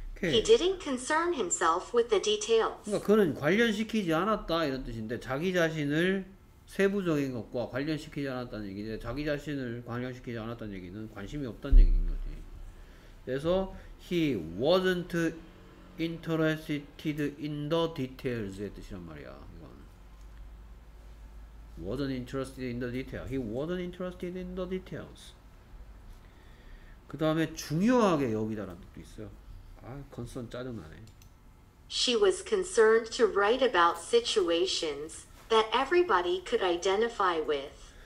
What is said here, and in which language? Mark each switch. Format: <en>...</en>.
<en>Okay. He didn't concern himself with the details.</en> <ko>그러니까 그는 관련시키지 않았다 이런 뜻인데 자기 자신을 세부적인 것과 관련시키지 않았다는 얘기인데 자기 자신을 관련시키지 않았다는 얘기는 관심이 없다는 얘기인 거지. 그래서</ko> <en>he wasn't interested in the details</en> <ko>의 뜻이란 말이야.</ko> <en>wasn't interested in the details. He wasn't interested in the details.</en> <ko>그 다음에 중요하게 여기다라는 것도 있어요. 아, 컨선 짜증나네.</ko> <en>She was concerned to write about situations that everybody could identify with.</en>